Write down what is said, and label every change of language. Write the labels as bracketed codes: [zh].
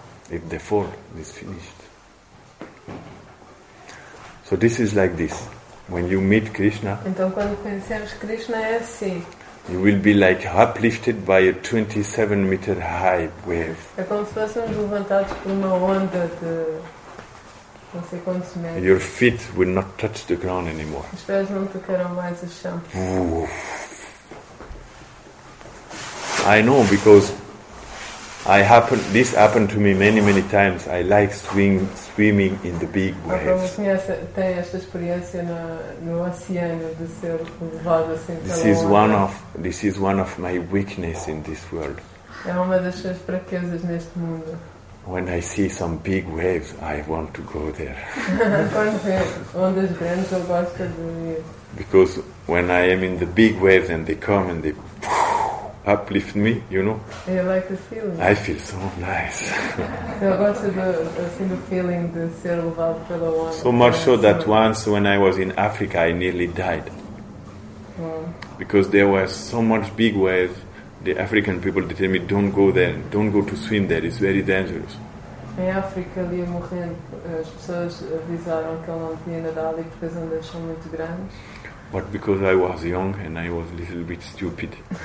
[en] If they fall, it's finished. So this is like this. When you meet Krishna, [pt] então, quando conhecemos Krishna, é assim. [en] You will be like uplifted by a 27 meter high wave. [pt] É como se fôssemos levantados por uma onda de não sei quantos metros. [en] Your feet will not touch the ground anymore. [pt] Os pés não tocarão mais o chão. [en] I know, because this happened to me many, many times. I like swimming in the big waves. [pt] Como conhece, tem esta experiência no oceano de ser levado assim. [en] This is one of my weakness in this world. [pt] É uma das suas fraquezas neste mundo. [en] When I see some big waves, I want to go there. [pt] Quando vê ondas grandes, eu gosto de ir. [en] Because when I am in the big waves and they come and they uplift me, you know. You like the feeling. I feel so nice. [pt] Eu gosto do feeling de ser levado pela onda. [en] So much so that once when I was in Africa, I nearly died. Wow. Because there was so much big wave, the African people, they tell me, don't go there, don't go to swim there, it's very dangerous. [pt] Em África, ali morrendo, as pessoas avisaram que eu não podia nadar ali porque as ondas são muito grandes. [en] But because I was young and I was a little bit stupid.